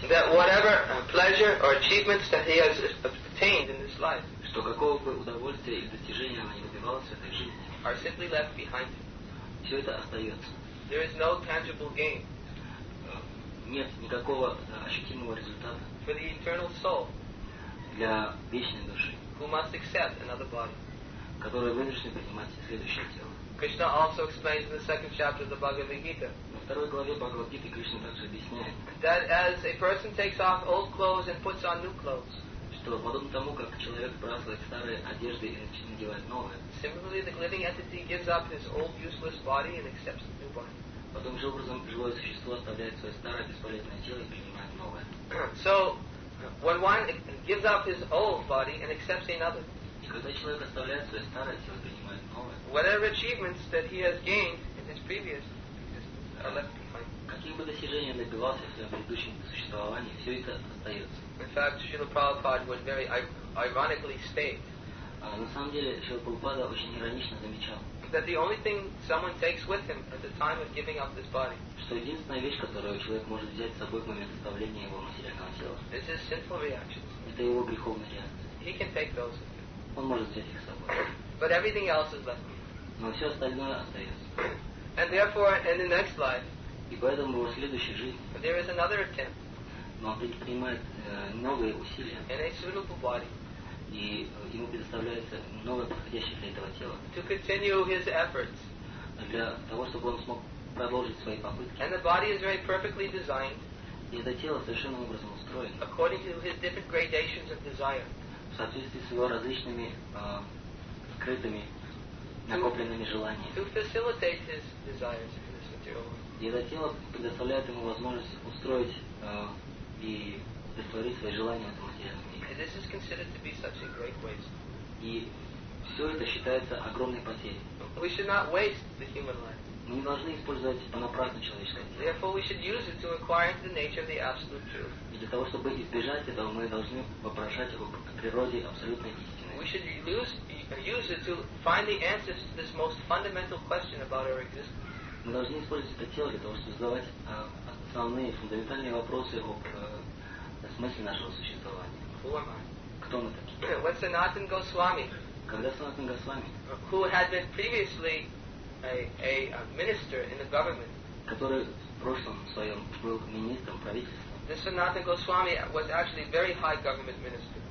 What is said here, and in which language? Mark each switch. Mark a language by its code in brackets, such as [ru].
[en] that whatever pleasure or achievements that he has obtained in this life, [ru] что какого бы удовольствия или достижения он не добивался в этой жизни, [en] are simply left behind. [ru] Все это остается. [en] There is no tangible gain. [ru] Нет никакого ощутимого результата. [en] For the eternal soul, [ru] для вечной души, [en] who must accept another body, [ru] которая вынуждена принимать следующее тело. [en] Krishna also explains in the second chapter of the Bhagavad Gita. [ru] Во второй главе Бхагавад Гиты Кришна также объясняет. [en] That as a person takes off old clothes and puts on new clothes. [ru] Что подобно тому, как человек сбрасывает старые одежды и надевает новые. [en] Similarly, the living entity gives up his old useless body and accepts a new body. [ru] Подобным же образом живое существо оставляет свое старое бесполезное тело и принимает новое. [en] So, when one gives up his old body and accepts another. [ru] И когда человек оставляет свое старое тело и принимает новое. [en] Whatever achievements that he has gained in his previous existence are left behind. [ru] Какие бы достижения он добивался в своем предыдущем существовании, все это остается. [en] In fact, Srila Prabhupada would very ironically state. [ru] На самом деле, Шрила Прабхупада очень иронично замечал. [en] That the only thing someone takes with him at the time of giving up this body. [ru] Что единственная вещь, которую человек может взять с собой в момент оставления его материального тела. [en] Is his sinful reactions. [ru] Это его греховная реакция. [en] He can take those with him. [ru] Он может взять их с собой. [en] But everything else is left. [ru] Но все остальное остается. [en] And therefore, in the next life. [ru] И поэтому в следующей жизни. [en] There is another attempt. [ru] Но он предпринимает новые усилия. [en] In a suitable body. [ru] И ему предоставляется новое подходящее для этого тела. [en] To continue his efforts. [ru] Для того, чтобы он смог продолжить свои попытки. [en] And the body is very perfectly designed. [ru] И это тело совершенно образом устроено. [en] According to his different gradations of desire. [ru] В соответствии с его различными скрытыми, накопленными желаниями. [en] To facilitate his desires in this material world. [ru] И это тело предоставляет ему возможность устроить и удовлетворить свои желания в этом материальном мире. [en] This is considered to be such a great waste. [ru] И все это считается огромной потерей. [en] We should not waste the human life. [ru] Мы не должны использовать понапрасну человеческое тело. [en] Therefore, we should use it to inquire into the nature of the absolute truth. [ru] И для того, чтобы избежать этого, мы должны вопрошать о природе абсолютной истины. [en] We should use it to find the answers to this most fundamental question about our existence. [ru] Мы должны использовать это тело для того, чтобы задавать основные фундаментальные вопросы об смысле нашего существования. [en] Who am I? [ru] Кто мы такие? [en] What's Sanatan Goswami? [ru] Когда Sanatan Goswami? [en] Who had been previously a minister in the government? [ru] Который в прошлом своем был министром правительства. [en] This Sanatan Goswami was actually a very high government minister.